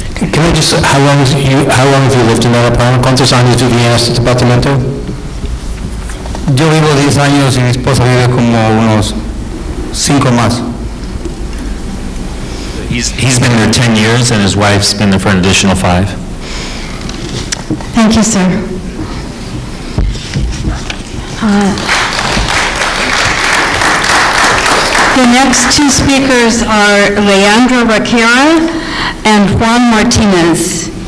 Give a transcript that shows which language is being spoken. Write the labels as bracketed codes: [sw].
[en] Can I just, how long have you lived in that apartment? [es] ¿Cuántos años vivía en este departamento? Yo vivo 10 años y mi esposa vive como unos 5 más. [en] He's been there 10 years and his wife's been there for an additional 5. Thank you, sir. The next two speakers are Leandro Raquera and Juan Martinez.